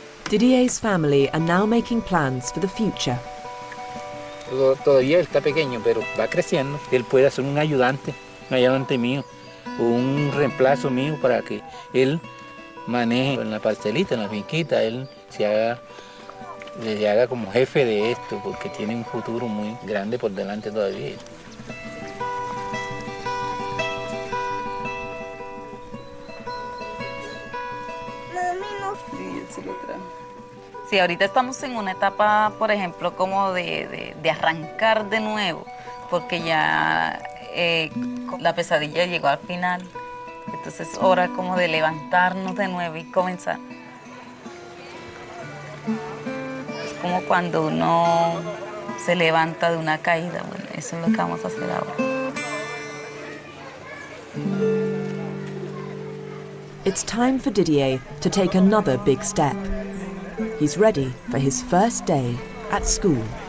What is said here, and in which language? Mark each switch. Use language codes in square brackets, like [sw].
[en] Didier's family are now making plans for the future. [es] Todavía está pequeño, pero va creciendo. Él puede ser un ayudante mío, un reemplazo mío para que él maneje en la parcelita, en la finquita, él se haga como jefe de esto, porque tiene un futuro muy grande por delante todavía. Sí, ahorita estamos en una etapa, por ejemplo, como de arrancar de nuevo, porque ya la pesadilla llegó al final. Entonces es hora como de levantarnos de nuevo y comenzar. Es como cuando uno se levanta de una caída. Bueno, eso es lo que vamos a hacer ahora. [en] It's time for Didier to take another big step. He's ready for his first day at school.